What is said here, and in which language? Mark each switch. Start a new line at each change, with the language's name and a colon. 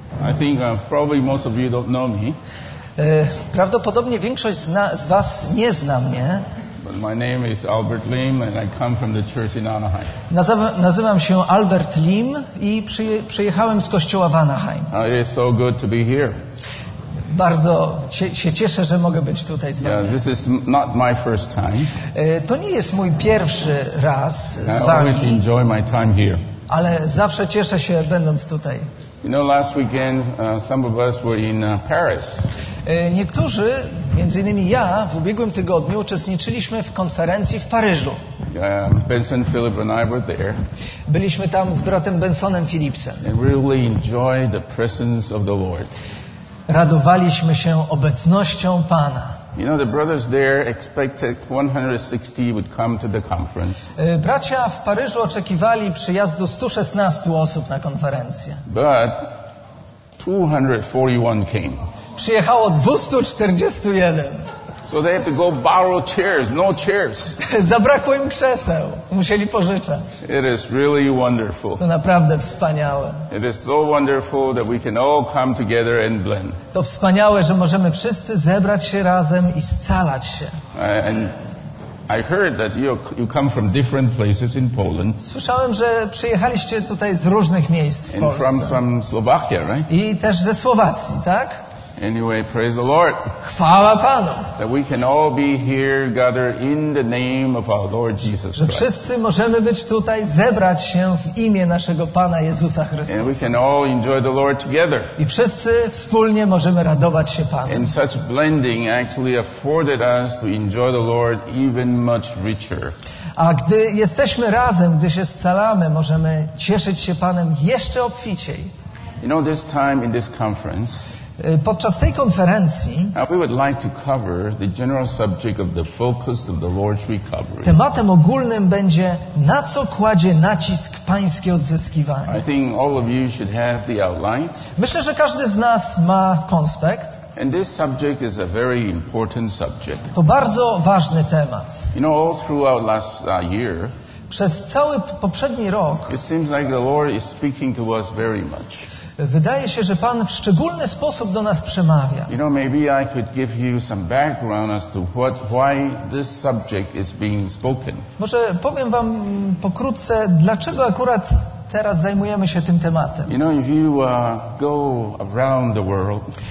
English: I think probably most of you don't know me.
Polish: Prawdopodobnie większość z was nie zna mnie.
English: But my name is Albert Lim and I come from the church in Anaheim.
Polish: Nazywam się Albert Lim i przyjechałem z kościoła w Anaheim.
English: It is so good to be here.
Polish: Bardzo się cieszę, że mogę być tutaj z wami.
English: Yeah, this is not my first time.
Polish: To nie jest mój pierwszy raz z wami.
English: I always enjoy my time here.
Polish: Ale zawsze cieszę się, będąc tutaj.
English: You know, last weekend, some of us were in Paris.
Polish: Niektórzy, między innymi ja, w ubiegłym tygodniu uczestniczyliśmy w konferencji w Paryżu.
English: Benson, Philip and I were there.
Polish: Byliśmy tam z bratem Bensonem Philipsem.
English: And really enjoyed the presence of the Lord.
Polish: Radowaliśmy się obecnością Pana.
English: You know, the brothers there expected 160 would come to the conference.
Polish: Bracia w Paryżu oczekiwali przyjazdu 116 osób na konferencję.
English: But 241 came.
Polish: Przyjechało 241.
English: So they have to go borrow chairs, no chairs.
Polish: Zabrakło im krzeseł. Musieli pożyczać.
English: It is really wonderful.
Polish: To naprawdę wspaniałe.
English: It is so wonderful that we can all come together and blend.
Polish: To wspaniałe, że możemy wszyscy zebrać się razem i scalać się.
English: And I heard that you come from different places in Poland.
Polish: Słyszałem, że przyjechaliście tutaj z różnych miejsc w Polsce.
English: And from Slovakia, right?
Polish: I też ze Słowacji, tak?
English: Anyway, praise the Lord.
Polish: Chwała Panu.
English: That we can all be here gathered in the name of our Lord Jesus Christ.
Polish: Że wszyscy możemy być tutaj, zebrać się w imię naszego Pana Jezusa Chrystusa.
English: And we can all enjoy the Lord together.
Polish: I wszyscy wspólnie możemy radować się Panem.
English: And such blending actually afforded us to enjoy the Lord even much richer.
Polish: A gdy jesteśmy razem, gdy się scalamy, możemy cieszyć się Panem jeszcze obficiej.
English: You know, this time in this conference,
Polish: podczas tej konferencji
English: we would like to cover the general subject of the focus of the Lord's recovery.
Polish: Tematem ogólnym będzie, na co kładzie nacisk Pański odzyskiwanie.
English: I think all of you should have the outline.
Polish: Myślę, że każdy z nas ma konspekt.
English: And this subject is a very important subject.
Polish: To bardzo ważny temat.
English: You know, all throughout last year,
Polish: przez cały poprzedni rok,
English: it seems like the Lord is speaking to us very much.
Polish: Wydaje się, że Pan w szczególny sposób do nas przemawia.
English: You know, maybe I could give you some background as to why this subject is being spoken.
Polish: Może powiem wam pokrótce, dlaczego akurat teraz zajmujemy się tym tematem.
English: You know, if you go around the world,